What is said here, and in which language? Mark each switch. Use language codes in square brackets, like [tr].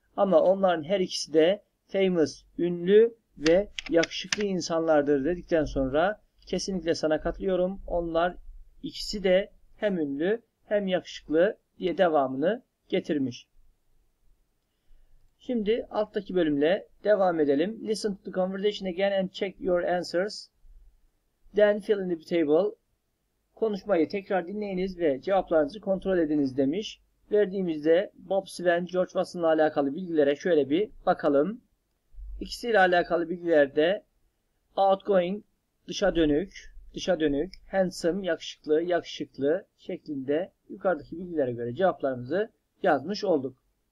[tr] Ama onların her ikisi de famous, ünlü ve yakışıklı insanlardır dedikten sonra kesinlikle sana katılıyorum. Onlar ikisi de hem ünlü hem yakışıklı diye devamını getirmiş. Şimdi alttaki bölümle devam edelim. [en] Listen to the conversation again and check your answers. Then fill in the table. [tr] Konuşmayı tekrar dinleyiniz ve cevaplarınızı kontrol ediniz demiş. Verdiğimizde Bob Swan, George Watson'la alakalı bilgilere şöyle bir bakalım. İkisiyle alakalı bilgilerde outgoing, dışa dönük, dışa dönük, handsome, yakışıklı, yakışıklı şeklinde yukarıdaki bilgilere göre cevaplarımızı yazmış olduk.